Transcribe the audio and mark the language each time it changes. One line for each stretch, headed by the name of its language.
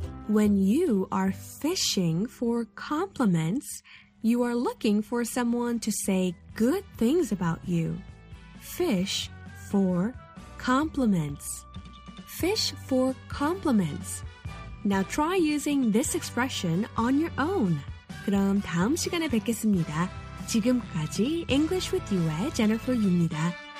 English: When you are fishing for compliments, you are looking for someone to say good things about you. Fish for compliments. Fish for compliments. Now try using this expression on your own.
Korean: 그럼 다음 시간에 뵙겠습니다. 지금까지 English with You의 Jennifer 유입니다.